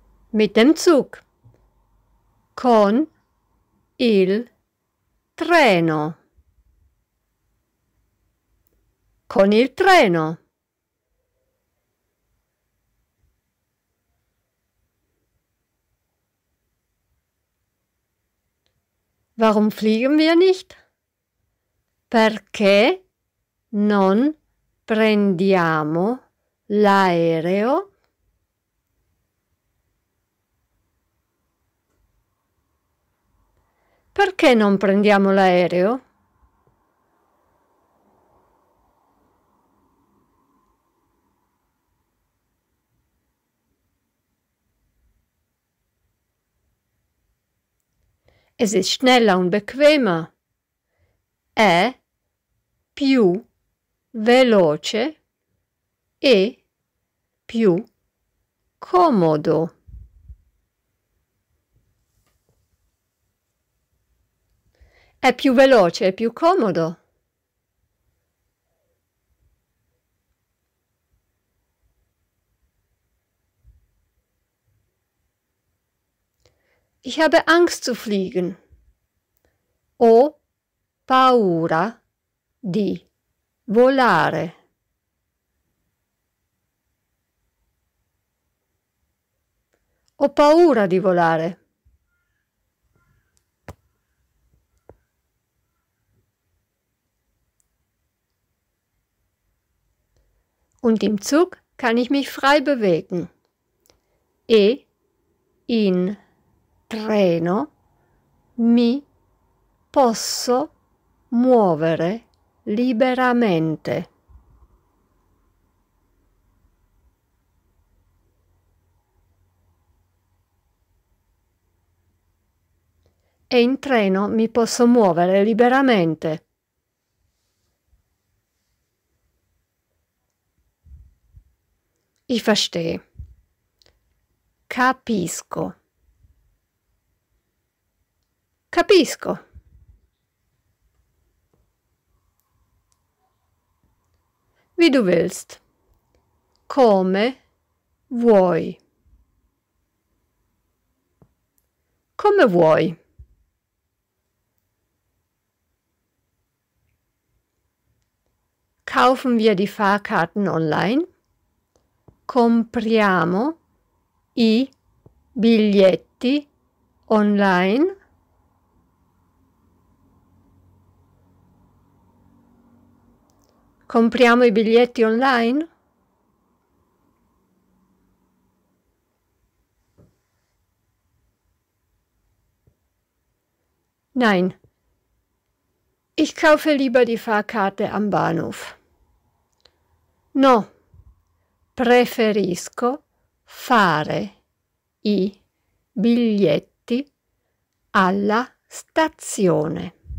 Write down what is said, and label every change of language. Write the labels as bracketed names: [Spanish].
[German] Mit dem Zug. [Italian] Con il treno. Con il treno. [German] Warum fliegen wir nicht? [Italian] Perché non prendiamo l'aereo? Perché non prendiamo l'aereo? [German] Es ist schneller und bequemer. [Italian] È più veloce e più comodo. È più veloce e più comodo. [German] Ich habe Angst zu fliegen. [Italian] Ho paura di volare. Ho paura di volare. [German] Und im Zug kann ich mich frei bewegen. [Italian] E in treno mi posso muovere liberamente. E in treno mi posso muovere liberamente. [German] Ich verstehe. [Italian] Capisco. Capisco. [German] Wie du willst. [Italian] Come vuoi. Come vuoi. [German] Kaufen wir die Fahrkarten online? [Italian] Compriamo i biglietti online? Compriamo i biglietti online? [German] Nein. Ich kaufe lieber die Fahrkarte am Bahnhof. [Italian] No. Preferisco fare i biglietti alla stazione.